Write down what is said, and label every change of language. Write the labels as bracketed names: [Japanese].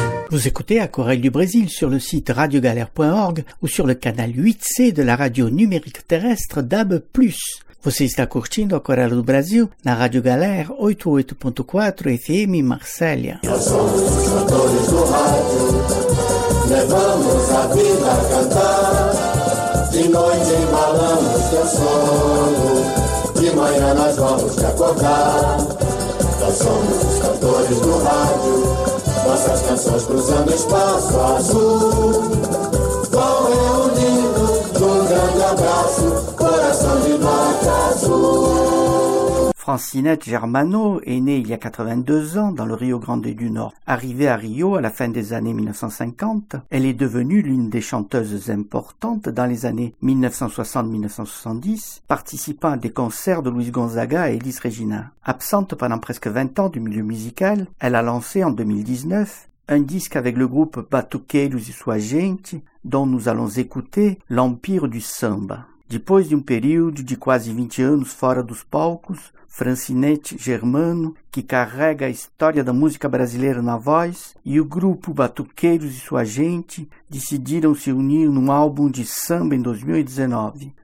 [French] Vous écoutez Aquarelle du Brésil sur le site radiogalère.org ou sur le canal 8C de la radio numérique terrestre DAB+. [Portuguese] Você está curtindo Aquarelle do Brasil na Rádio Galère 88.4 FM Marselha. Levamos a vida a cantar, de noite embalamos teu sono, de manhã nós vamos te acordar. Nós somos os cantores do rádio, nossas canções cruzando espaço azul, vão reunindo num grande abraço, coração de vaca azul. [French] Francinette Germano est née il y a 82 ans dans le Rio Grande du Nord. Arrivée à Rio à la fin des années 1950, elle est devenue l'une des chanteuses importantes dans les années 1960-1970, participant à des concerts de Luiz Gonzaga et Elis Regina. Absente pendant presque 20 ans du milieu musical, elle a lancé en 2019 un disque avec le groupe Batuque Luiz Sua Gente, dont nous allons écouter l'Empire du Samba. [Portuguese] Depois de um período de quase 20 anos fora dos palcos, Francinette Germano, que carrega a história da música brasileira na voz, e o grupo Batuqueiros e Sua Gente decidiram se unir num álbum de samba em 2019.